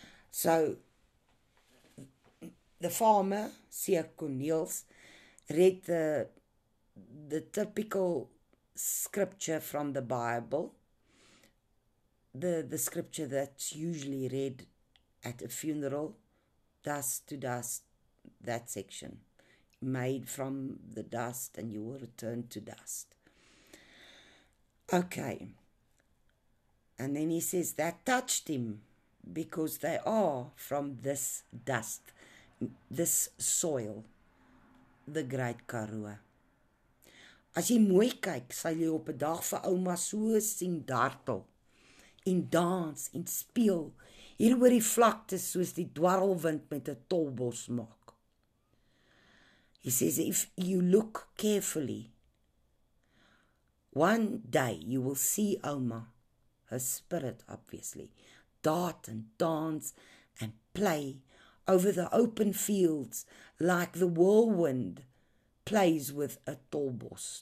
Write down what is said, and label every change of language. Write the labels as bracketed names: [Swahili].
[English] So, the farmer, Seer Corneels, read the typical scripture from the Bible, the scripture that's usually read at a funeral, dust to dust, that section, made from the dust and you will return to dust. Okay. And then he says that touched him because they are from this dust, this soil, the great Karoo. [Afrikaans] As jy mooi kyk, sal jy op 'n dag vir ouma so sien dartel, in dans, in speel, hier oor die vlaktes soos die dwarrelwind met 'n tolbos maak. [English] He says, if you look carefully, one day you will see Oma, her spirit obviously, dart and dance and play over the open fields like the whirlwind plays with a tolbos.